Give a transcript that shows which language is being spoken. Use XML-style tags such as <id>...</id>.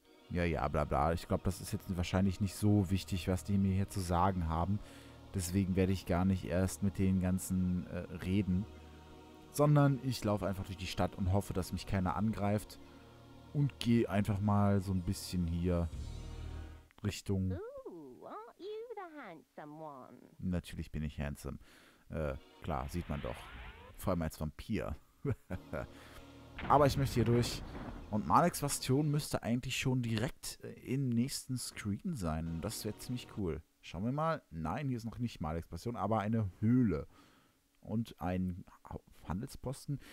<de>Ja, bla bla. Ich glaube, das ist jetzt wahrscheinlich nicht so wichtig, was die mir hier zu sagen haben. Deswegen werde ich gar nicht erst mit den ganzen reden. Sondern ich laufe einfach durch die Stadt und hoffe, dass mich keiner angreift. Und gehe einfach mal so ein bisschen hier Richtung...</de> <en>Ooh, aren't you the handsome one?</en> <de>Natürlich bin ich handsome. Klar, sieht man doch. Vor allem als Vampir. Aber ich möchte hier durch... Und Manix Bastion müsste eigentlich schon direkt im nächsten Screen sein. Das wäre ziemlich cool. Schauen wir mal. Nein, hier ist noch nicht Manix Bastion, aber eine Höhle. Und ein Handelsposten.</de>